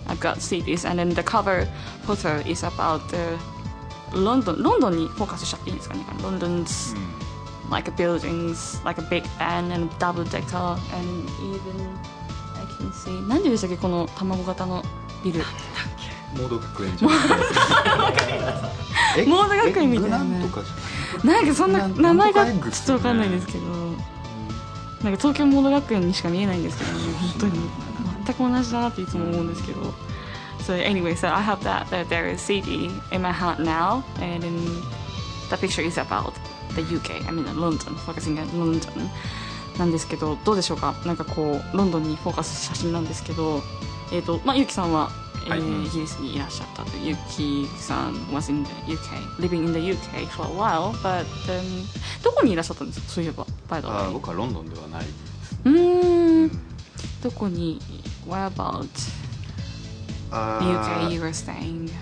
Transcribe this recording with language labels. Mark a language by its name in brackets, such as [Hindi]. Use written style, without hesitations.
[English] I've got CDs, and then the cover photo is about London. [Japanese] London にフォーカスしちゃっていいですかね。London's、mm. [English] like buildings, like a Big Ben and double decker, and even I can see. [Japanese] 何でしたっけこの卵型のビル。モード学園みたいな、ね、なんかそんな名前がちょっと分かんないんですけど、なんか東京モード学園にしか見えないんですけど、ね、本当に全く同じだなっていつも思うんですけど、 [English] So anyway, so I have that there is CD in my hand now, and then the picture is about the UK, I mean London, focusing on London [Japanese] なんですけど、どうでしょうか、なんかこうロンドンにフォーカスした写真なんですけど、まあ、ゆうきさんは [English] Yuki-san was in the UK, living in the UK for a while, but then... [Japanese] どこにいらっしゃったんですか、そういえば、 [English] by the way? [Japanese] 僕はロンドンではないですどこに、 [English] where about the UK you were staying?